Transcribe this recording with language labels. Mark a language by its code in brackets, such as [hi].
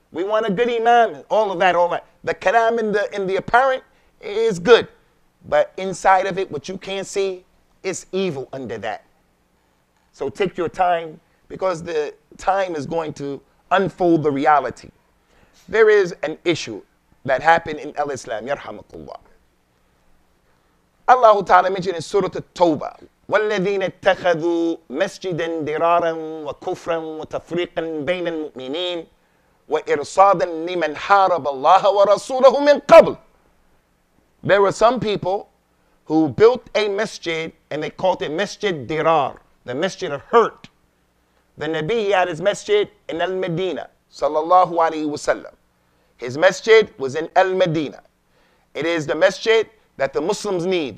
[en] We want a good imam. All of that. The kalam in the apparent is good. But inside of it, what you can't see, it's evil under that. So take your time, because the time is going to unfold the reality. There is an issue that happened in al-Islam, yarhamakullah. Allah Ta'ala mentioned in Surah At-Tawbah, [ar] وَالَّذِينَ اتَّخَذُوا مَسْجِدًا دِرَارًا وَكُفْرًا وَتَفْرِيقًا بَيْنَ الْمُؤْمِنِينَ وَإِرْصَادًا لِمَنْ حَارَبَ اللَّهَ وَرَسُولَهُ مِنْ قَبْلِ. [en] There were some people who built a masjid and they called it Masjid Dirar, the Masjid of Hurt. The Nabi had his masjid in Al-Madina, sallallahu alayhi wa sallam. His masjid was in Al-Madina. It is the masjid that the Muslims need.